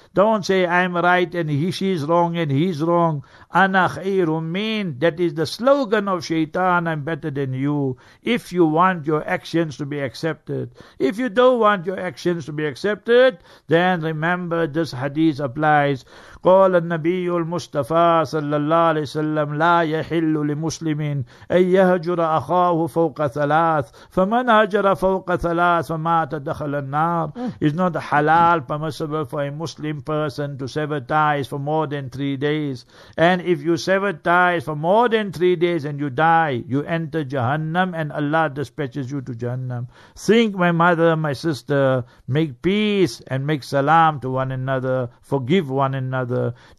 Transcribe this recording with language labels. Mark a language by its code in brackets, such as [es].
[en] Don't say I'm right and she's wrong and he's wrong. [ar] Ana khairum min, [en] that is the slogan of shaitan, I'm better than you. If you want your actions to be accepted, if you don't want your actions to be accepted, then remember this hadith applies. [ar] قال النبي المصطفى صلى الله عليه وسلم لا يحل لمسلم أن يهجر أخاه فوق ثلاث فمن هجر فوق ثلاث فمات دخل النار. [en] It's not halal, permissible for a Muslim person to sever ties for more than 3 days. And if you sever ties for more than 3 days and you die, you enter Jahannam and Allah dispatches you to Jahannam. Think, my mother, my sister, make peace and make salam to one another, forgive one another.